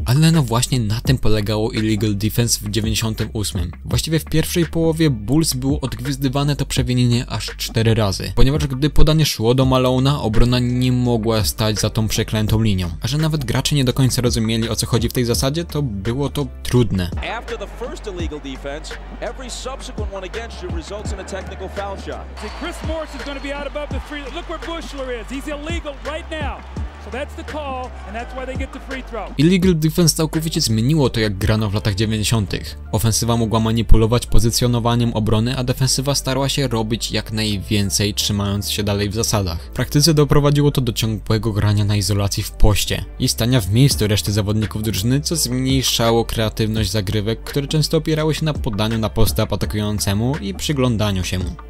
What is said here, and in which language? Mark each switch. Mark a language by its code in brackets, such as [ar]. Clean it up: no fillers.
[pl] Ale no właśnie na tym polegało illegal defense w 98. Właściwie w pierwszej połowie Bulls był odgwizdywany wykonywane to przewinienie aż 4 razy, ponieważ gdy podanie szło do Malona, obrona nie mogła stać za tą przeklętą linią. A że nawet gracze nie do końca rozumieli, o co chodzi w tej zasadzie, to było to trudne. [en] After the first illegal defense, every subsequent one against you results in a technical foul shot. Chris Morris is going to be out above the free. Look where Buschler is. He's illegal right now. That's the call, and that's why they get the free throw. [pl] Illegal defense całkowicie zmieniło to, jak grano w latach 90. Ofensywa mogła manipulować pozycjonowaniem obrony, a defensywa starała się robić jak najwięcej, trzymając się dalej w zasadach. W praktyce doprowadziło to do ciągłego grania na izolacji w poście i stania w miejscu reszty zawodników drużyny, co zmniejszało kreatywność zagrywek, które często opierały się na podaniu na postęp atakującemu i przyglądaniu się mu.